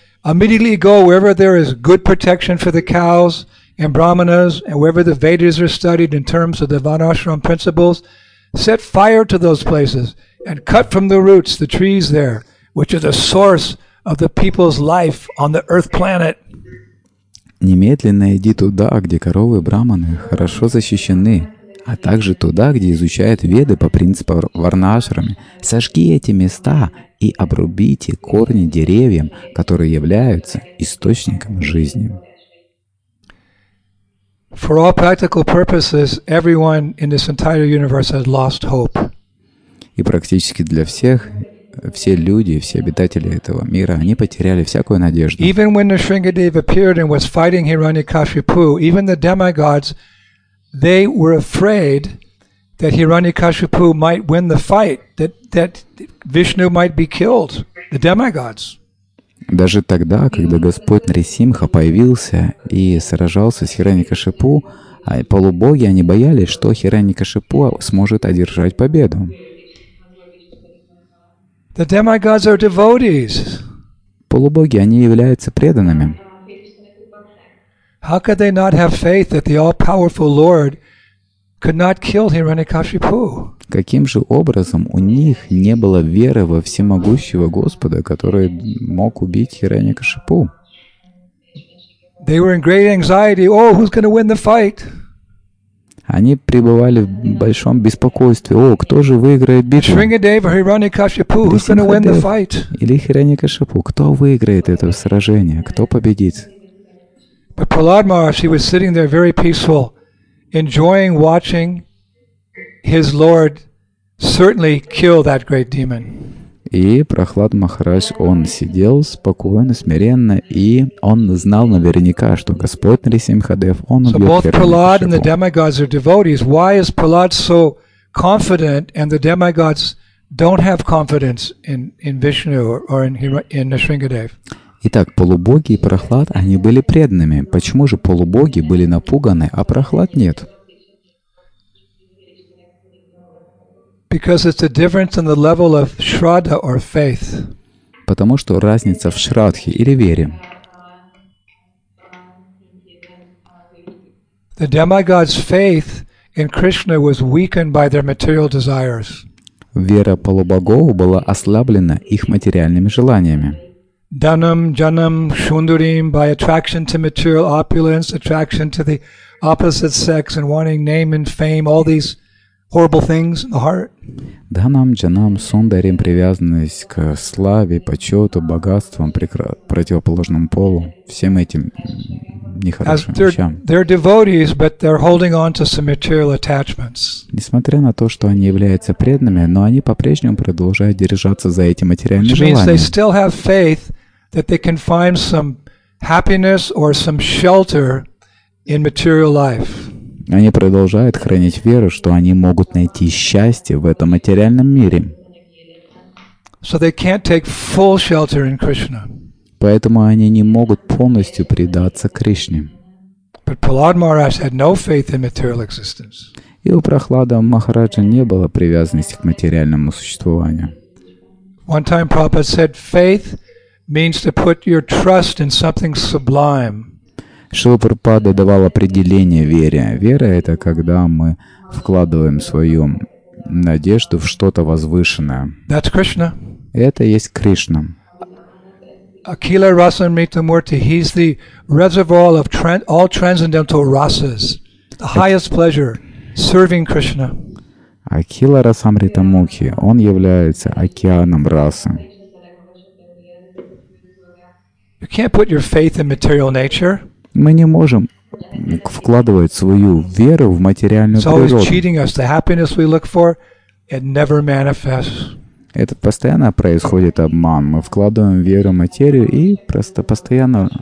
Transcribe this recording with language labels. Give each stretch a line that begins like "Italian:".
English: Immediately go wherever there is good protection for the cows and brahmanas, and wherever the Vedas are studied in terms of the Vanashram principles, set fire to those places and cut from the roots the trees there, which are the source of the people's life on the earth planet.
Russian: Немедленно иди туда, где коровы и брахманы хорошо защищены, а также туда, где изучают Веды по принципам Варнашрамы. Сожги эти места и обрубите корни деревьям, которые являются источником жизни.
English: For all practical purposes, everyone in this entire universe has lost hope.
Russian: И практически для всех, все люди, все обитатели этого мира, они потеряли всякую надежду.
English: Even when the Sringadeva appeared and was fighting Hiranyakashipu, even the demigods, they were afraid that Hiranyakashipu might win the fight, that Vishnu might be killed, the demigods.
Russian: Даже тогда, когда Господь Нарисимха появился и сражался с Хираньякашипу, полубоги, они боялись, что Хираньякашипу сможет одержать победу.
English: The demigods are devotees.
Russian: Полубоги, они являются преданными.
English: How could they not have faith that the all-powerful Lord could not kill Hiranyakashipu?
Russian: Каким же образом у них не было веры во всемогущего Господа, который мог убить Хиранья-Кашипу?
English: They were in great anxiety. Oh, who's going to win the fight?
Russian: Они пребывали в большом беспокойстве. О, кто же выиграет битву?
English: Шрингадева, Хиранья-Кашипу, who's going to win the fight?
Russian: Или Хиранья-Кашипу, кто выиграет это сражение? Кто победит?
English: But Prahlad Maharaj, he was sitting there very peaceful, enjoying watching his Lord certainly kill that great demon.
Russian: И Прохлад Махарадж, он сидел спокойно, смиренно, и он знал наверняка, что Господь Нарисимхадев, он убьет Хиранья-Кашипу.
English: So both Prahlad and the demigods are devotees. Why is Prahlad so confident and the demigods don't have confidence in Vishnu or in Nrisimhadev?
Russian: Итак, полубоги и Прохлад, они были преданными. Почему же полубоги были напуганы, а Прохлад нет?
English: Because it's a difference in the level of shraddha or faith.
Russian: Потому что разница в шрадхе или вере.
English: The demigods' faith in Krishna was weakened by their material desires.
Russian: Вера полубогов была ослаблена их материальными желаниями.
Sanskrit: Данам, джанам, шундурим,
English: by attraction to material opulence, attraction to the opposite sex and wanting name and fame, all these horrible things in the heart.
Sanskrit: Данам, джанам, сундарим,
Russian: привязанность к славе, почету, богатствам, противоположному полу, всем этим нехорошим вещам.
English: They're devotees, but they're holding on to some material attachments.
Russian: Несмотря на то, что они являются преданными, но они по-прежнему продолжают держаться за эти материальные желания.
English: Which means they still have faith that they can find some happiness or some shelter in material life.
Russian: Они продолжают хранить веру, что они могут найти счастье в этом материальном мире.
English: So they can't take full shelter in Krishna.
Russian: Поэтому они не могут полностью предаться Кришне.
English: But Prahlad Maharaj had no faith in material existence.
Russian: И у Прохлада Махараджа не было привязанности к материальному существованию.
English: One time Prabhupada said, faith means to put your trust in something sublime.
Russian: Шрила Прабхупада давал определение вере. Вера — это когда мы вкладываем свою надежду в что-то возвышенное.
English: That's Krishna.
Russian: Это есть Кришна.
Sanskrit: Akila Rasamrita Murti,
English: he's the reservoir of all transcendental rasas, the highest pleasure, serving Krishna.
Sanskrit: Akila Rasamrita Murti,
Russian: он является океаном расы.
English: You can't put your faith in material nature.
Russian: Мы не можем вкладывать свою веру в материальную природу.
English: It's always cheating us. The happiness we look for, it never manifests.
Russian: Это постоянно происходит обман. Мы вкладываем веру в материю и просто постоянно